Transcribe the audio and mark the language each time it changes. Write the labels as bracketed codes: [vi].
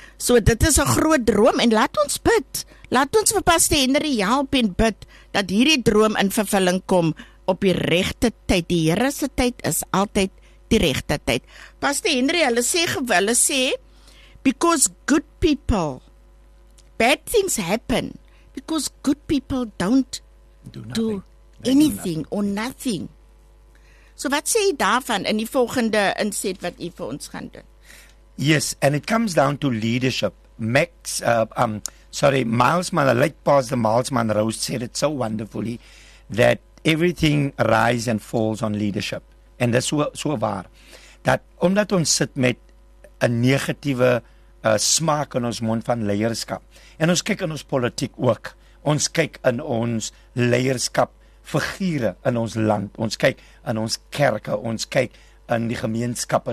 [af] So, dit is 'n groot droom, en laat ons bid, laat ons vir Pastor Henry help en bid, dat hierdie droom in vervulling kom, op die regte tyd, die Here se tyd is altyd die regte tyd. [en] Pastor Henry, [af] hulle sê, [en] because good people, bad things happen because good people don't do anything or nothing. [af] So wat sê jy daarvan in die volgende inset wat jy vir ons gaan doen? [en] Yes, and it comes down to leadership. Miles Monroe, late Pastor Miles Monroe said it so wonderfully that everything rise and falls on leadership. [af] And dis so waar. Dat omdat ons sit met 'n negatiewe smaak in ons mond van leierskap. En ons kyk in ons politiek ook. Ons kyk in ons leierskap figure in ons land. Ons kyk in ons kerke. Ons kyk in die gemeenskappe.